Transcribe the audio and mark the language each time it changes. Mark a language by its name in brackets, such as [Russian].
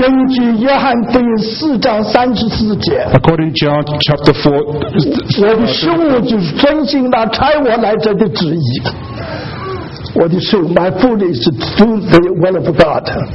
[Chinese] 根据约翰福音四章三十四节， [English] according to John chapter 4, [Chinese] 我的事务就是遵行那差我来者的旨意。 [English] What is true? My food is to do the will of God.